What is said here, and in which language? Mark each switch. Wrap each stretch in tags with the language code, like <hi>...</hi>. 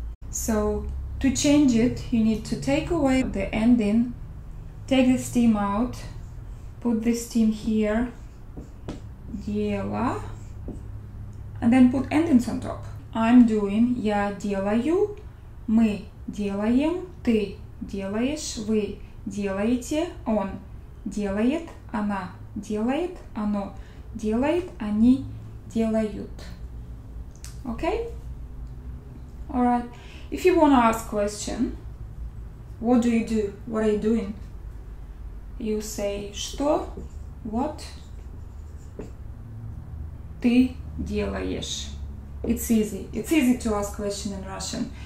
<en>So to change it, you need to take away the ending, take the steam out, put the steam here, дела, and then put endings on top. I'm doing,</en> <ru>я делаю, мы делаем, ты делаешь, вы делаете, он делает, она делает, оно делает, они делают.</ru> <en>Okay? All right. If you want to ask question, what do you do? What are you doing? You say, что? What?</en> <ru>Ты делаешь?</ru> <en>It's easy. It's easy to ask question in Russian.</en>